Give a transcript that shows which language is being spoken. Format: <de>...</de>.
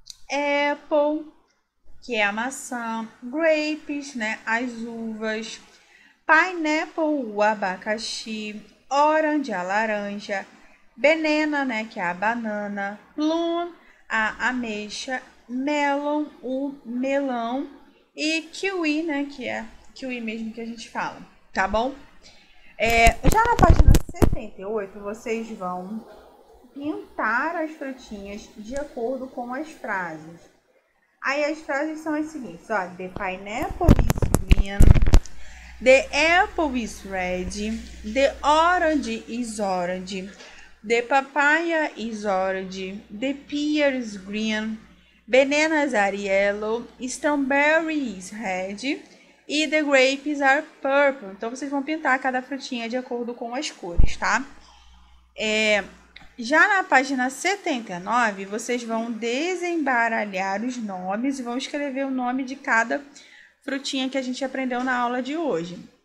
<pt>Apple, que é a maçã, grapes, né, as uvas, pineapple, o abacaxi, orange, a laranja, banana, né, que é a banana, plum, a ameixa, melon, o melão, e kiwi, né, que é kiwi mesmo que a gente fala, tá bom? Já na página 78, vocês vão pintar as frutinhas de acordo com as frases. Aí as frases são as seguintes, ó,</pt> <en>the pineapple is green, the apple is red, the orange is orange, the papaya is orange, the pear is green, bananas are yellow, strawberry is red e the grapes are purple.</en> <pt>Então, vocês vão pintar cada frutinha de acordo com as cores, tá? Já na página 79, vocês vão desembaralhar os nomes e vão escrever o nome de cada frutinha que a gente aprendeu na aula de hoje.</pt>